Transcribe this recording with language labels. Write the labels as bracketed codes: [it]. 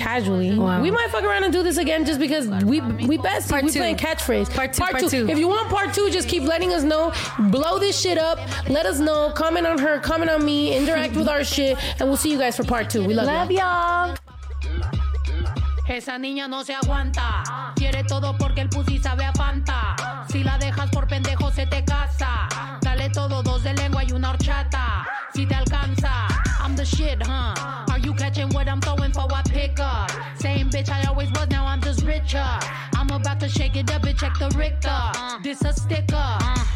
[en] Casually. Wow. We might fuck around and do this again just because we best. Part two. We playing catchphrase. Part two. If you want part two, just keep letting us know. Blow this shit up. Let us know. Comment on her. Comment on me. Interact with our shit. And we'll see you guys for part two. We love you. Love y'all. [es] Esa niña no se aguanta. Quiere todo porque el pussy sabe a Fanta. Si la dejas por pendejo, se te casa. Dale todo, dos de lengua y una horchata. Si te alcanza. [en] I'm the shit, huh? Are you catching what I'm throwing for a pickup? Same bitch I always was, now I'm just richer. I'm about to shake it up and check the Richter. This a sticker.